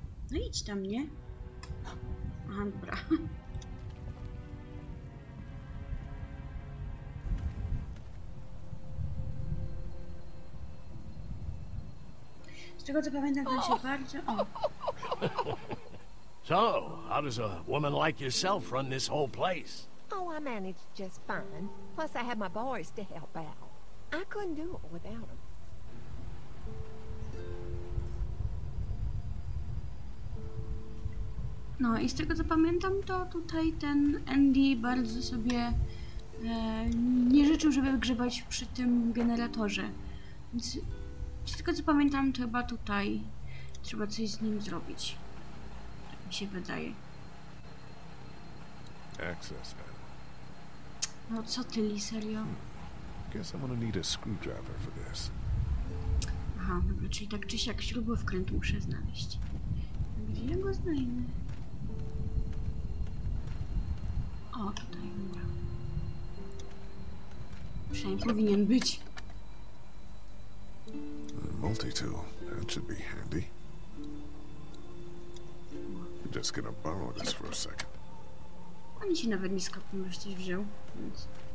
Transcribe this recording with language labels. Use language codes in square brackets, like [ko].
[pl] No idź tam, nie? Aha, dobra. Z tego co pamiętam, to się bardzo... O. [en] So, how does a woman like yourself run this whole place? Oh, I managed just fine. Plus, I had my boys to help out. I couldn't do it without him. [pl] No i z tego co pamiętam, to tutaj ten Andy bardzo sobie nie życzył, żeby grzebać przy tym generatorze. Więc z tego co pamiętam, to chyba tutaj trzeba coś z nim zrobić. Tak mi się wydaje. [en] Access panel. [pl] No co ty, Lee, serio? [en] Guess I'm gonna need a screwdriver for this. [pl] Aha, no, czyli tak czy siak śrubowkręt muszę znaleźć. Gdzie go znajdę? O, tutaj, dobra. Przynajmniej powinien być. [en] Multi-tool, that should be handy. I'm just gonna borrow this for a second. [pl] Oni się nawet nie skopią, że coś wziął, więc...